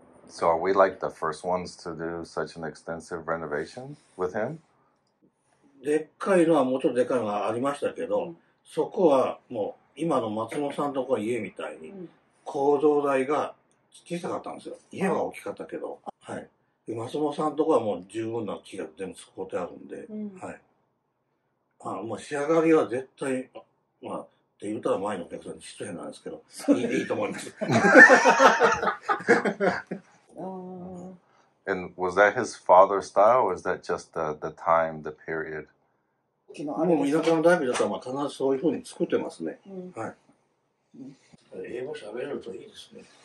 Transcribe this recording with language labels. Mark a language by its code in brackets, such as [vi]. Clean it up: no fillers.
[en] So are we like the first ones to do such an extensive renovation with him? [ja] でっかいのはもうちょっとでかいのがありましたけど、そこはもう今の松本さんとこ家みたいに構造材が小さかったんですよ。家は大きかったけど、松本さんとこはもう十分な木が全部そこってあるんで、仕上がりは絶対、って言ったら前のお客さんに失礼なんですけど、いいと思います。 [en] And was that his father's style, or was that just the time, the period? [ja] もう田舎のダイビーだったら、まあ、必ずそういうふうに作ってますね。英語喋れるといいですね。